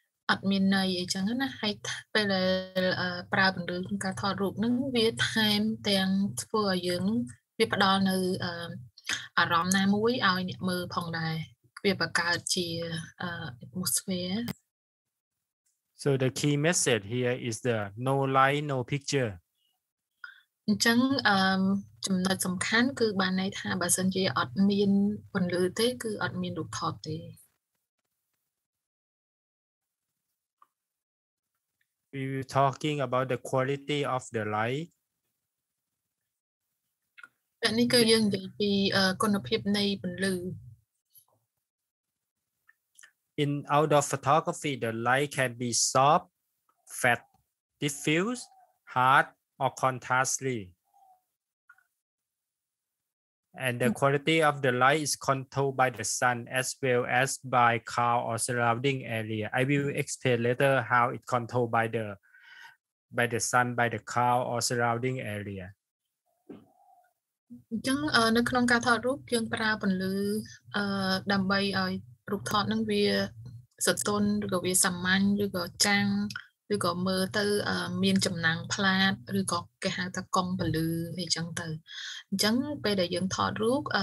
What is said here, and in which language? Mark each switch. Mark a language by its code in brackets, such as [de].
[km] អត់មានន័យអីចឹងណាហើយពេលប្រើពន្លឺក្នុងការថតរូបនឹងវាថែមទាំងធ្វើឲ្យយើងវាផ្ដល់នៅអារម្មណ៍ណាមួយឲ្យអ្នកមើលផងដែរវាបង្កើតជា atmosphere. [en] So the key message here is the no light no picture. [km] អញ្ចឹងចំណុចសំខាន់គឺបានន័យថាបើសិនជាអត់មានពន្លឺទេគឺអត់មានរូបថតទេ. [en] We were talking about the quality of the light. [km] តែនេះគឺយើងនិយាយពីគុណភាពនៃពន្លឺ [en] In outdoor photography the light can be soft, fat, diffuse, hard or contrasty. And the quality of the light is controlled by the sun as well as by cloud or surrounding area. I will explain later how it controlled by the sun, by the cloud or surrounding area. [km] អញ្ចឹងនៅក្នុងការថតរូបយើងប្រើពន្លឺដើម្បីឲ្យរូបថតនឹងវាសន្ទន់ឬក៏វាសាមញ្ញឬក៏ចាំងឬក៏មើលទៅមានចំណាំងផ្លាតឬក៏គេហៅថាកង់ពន្លឺអីចឹងទៅអញ្ចឹងពេលដែលយើងថតរូប